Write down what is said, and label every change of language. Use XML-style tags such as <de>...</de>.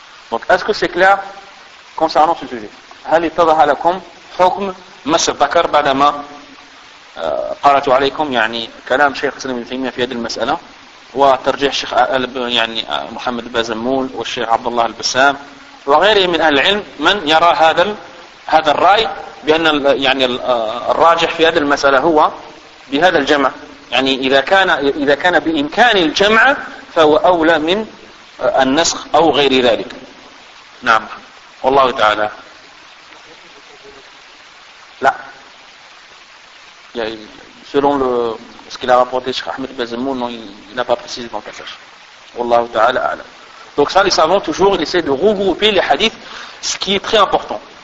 <fr>Donc, est-ce que c'est clair concernant ce sujet?</fr> <ar>هل اتضح لكم حكم مس الذكر بعدما قرأت عليكم يعني كلام شيخ الإسلام ابن تيمية في هذه المسألة وترجيح الشيخ يعني محمد بازمول والشيخ عبد الله البسام وغيره من أهل العلم من يرى هذا الرأي بأن يعني الراجح في هذه المسألة هو بهذا الجمع. يعني إذا كان بإمكان الجمع فهو أولى من النسخ أو غير ذلك. نعم والله تعالى. لا يعني</ar> <fr>selon ce qu'il a rapporté Cheikh Ahmed Bazemmoun, non, il n'a pas précisé dans le passage.</fr> <ar>والله تعالى أعلم.</ar> <fr>Donc ça, les savants toujours ils essaient de regrouper les hadiths, ce qui est très important.</fr>